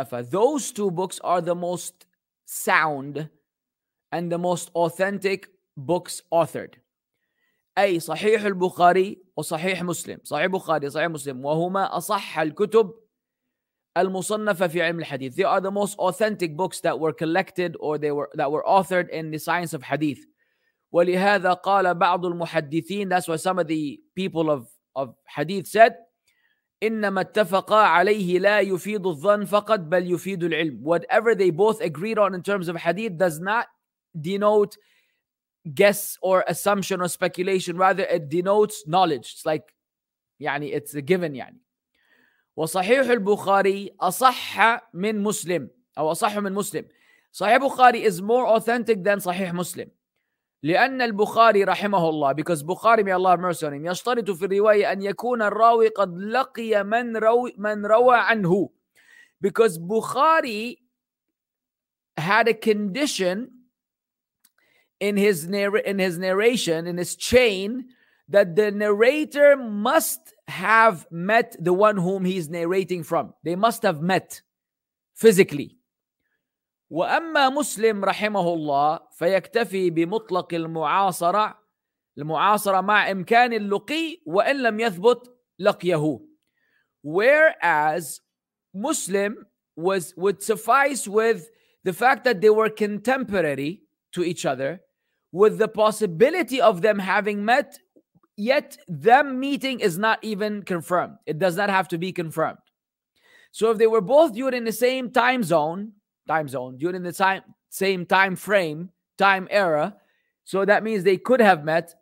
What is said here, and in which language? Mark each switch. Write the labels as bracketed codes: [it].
[en] Those two books are the most sound and the most authentic books authored. [ar] أي صحيح البخاري وصحيح مسلم. صحيح بخاري صحيح مسلم. وهما أصح الكتب المصنفة في علم الحديث. [en] They are the most authentic books that were collected or that were authored in the science of hadith. [ar] ولهذا قال بعض المحدثين, [en] that's why some of the people of hadith said, [ar] إنما اتفقا عليه لا يفيد الظن فقط بل يفيد العلم. [en] Whatever they both agreed on in terms of hadith does not denote guess or assumption or speculation, rather it denotes knowledge. It's like, يعني it's a given يعني. [ar] وصحيح البخاري أصح من مسلم أو أصح من مسلم. [en] صحيح البخاري is more authentic than صحيح مسلم. [ar] لأن البخاري رحمه الله, [en] because بخاري may Allah have mercy on him, [ar] يشترط في الرواية أن يكون الراوي قد لقي من روى عنه. [en] Because بخاري had a condition in his narration, in his chain, that the narrator must have met the one whom he's narrating from. They must have met physically. [ar] وأما مسلم رحمه الله فيكتفي بمطلق المعاصرة، المعاصرة مع إمكان اللقي وإن لم يثبت لقيه. [en] Whereas Muslim was would suffice with the fact that they were contemporary to each other, with the possibility of them having met, yet them meeting is not even confirmed. It does not have to be confirmed. So if they were both during the same time zone, during the same time frame, time era, so that means they could have met.